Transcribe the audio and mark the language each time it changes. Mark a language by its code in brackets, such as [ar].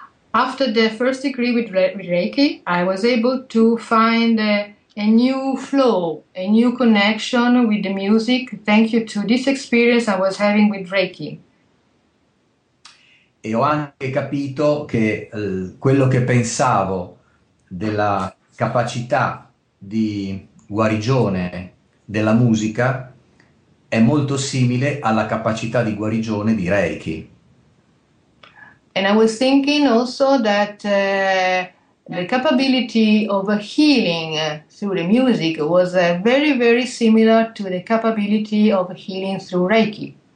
[en] After the first degree with Reiki, I was able to find a new flow, a new connection with the music. Thank you to this experience I was having with Reiki. [it] E ho anche capito che quello che pensavo della capacità di guarigione della musica è molto simile alla capacità di guarigione di Reiki. [en] And I was thinking also that the capability of healing through the music was very, very similar to the capability of healing through Reiki.